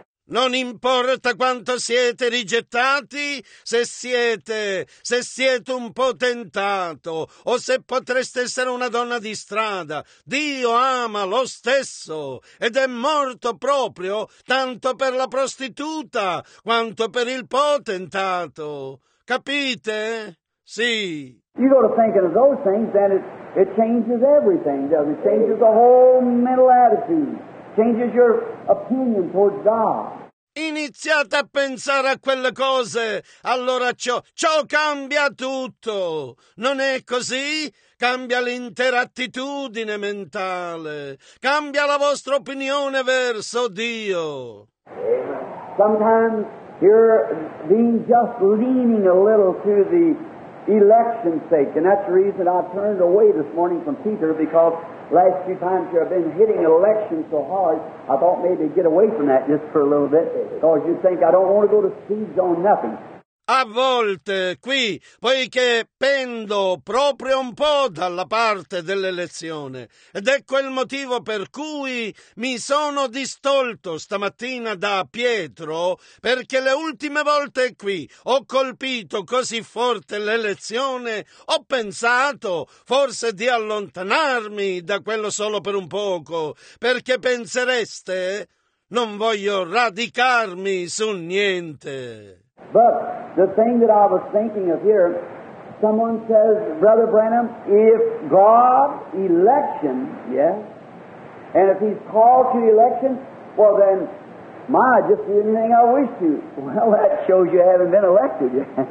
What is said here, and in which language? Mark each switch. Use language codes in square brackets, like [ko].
[it] Non importa quanto siete rigettati, se siete un potentato o se potreste essere una donna di strada, Dio ama lo stesso ed è morto proprio tanto per la prostituta quanto per il potentato. Capite? Sì. [en] You go to thinking of those things, then it changes everything, doesn't it? Changes the whole mental attitude, changes your opinion towards God. [it] Iniziate a pensare a quelle cose, allora ciò cambia tutto. Non è così? Cambia l'intera attitudine mentale. Cambia la vostra opinione verso Dio. [en] Sometimes you're being just leaning a little to the election's sake, and that's the reason I turned away this morning from Peter, because last few times you have been hitting election so hard, I thought maybe get away from that just for a little bit, because you think I don't want to go to seeds on nothing. [it] A volte, qui, poiché pendo proprio un po' dalla parte dell'elezione, ed ecco il motivo per cui mi sono distolto stamattina da Pietro, perché le ultime volte qui ho colpito così forte l'elezione, ho pensato forse di allontanarmi da quello solo per un poco, perché pensereste, non voglio radicarmi su niente. [en] But the thing that I was thinking of here, someone says, Brother Branham, if God election, yes, and if he's called to election, well then, my, just do anything I wish to. Well, that shows you haven't been elected yet.